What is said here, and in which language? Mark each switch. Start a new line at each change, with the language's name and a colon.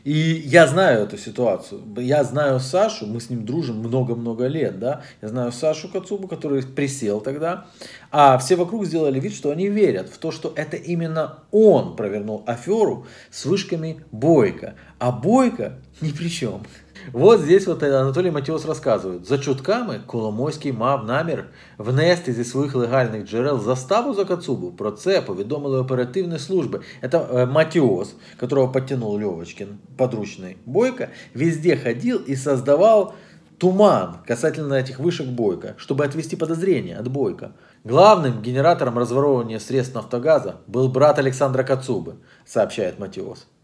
Russian: И я знаю эту ситуацию. Я знаю Сашу, мы с ним дружим много-много лет. Да? Я знаю Сашу Кацубу, который присел тогда. А все вокруг сделали вид, что они верят в то, что это именно он провернул аферу с вышками Бойко. А Бойко ни при чем. Вот здесь вот Анатолий Матиос рассказывает.
Ukrainian: За чутками Коломойський мав намір внести зі своїх легальних джерел заставу за Кацубу. Про це повідомили оперативні служби.
Russian: Это Матиос, которого подтянул Левочкин, подручный Бойко, везде ходил и создавал туман касательно этих вышек Бойко, чтобы отвести подозрение от Бойко. Главным генератором разворовывания средств Нафтогаза был брат Александра Кацубы, сообщает Матиос.